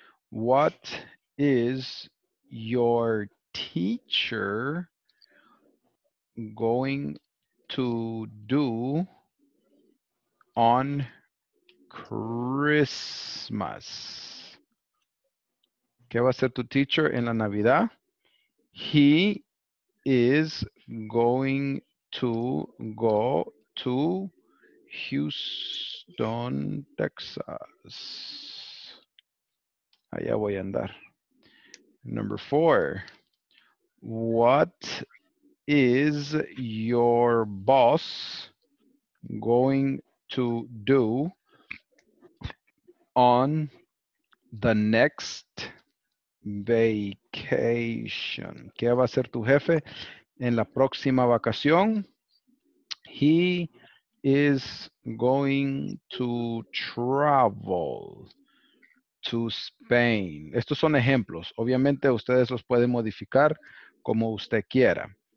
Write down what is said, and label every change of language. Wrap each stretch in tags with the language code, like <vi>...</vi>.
<en>What is your teacher going to do on Christmas?</en> <es>¿Qué va a hacer tu teacher en la Navidad?</es> <en>He is going to go to Houston, Texas.</en> <es>Allá voy a andar.</es> <en>Number four. What is your boss going to do on the next vacation?</en> <es>¿Qué va a hacer tu jefe en la próxima vacación?</es> <en>He is going to travel to Spain.</en> <es>Estos son ejemplos. Obviamente, ustedes los pueden modificar como usted quiera.</es>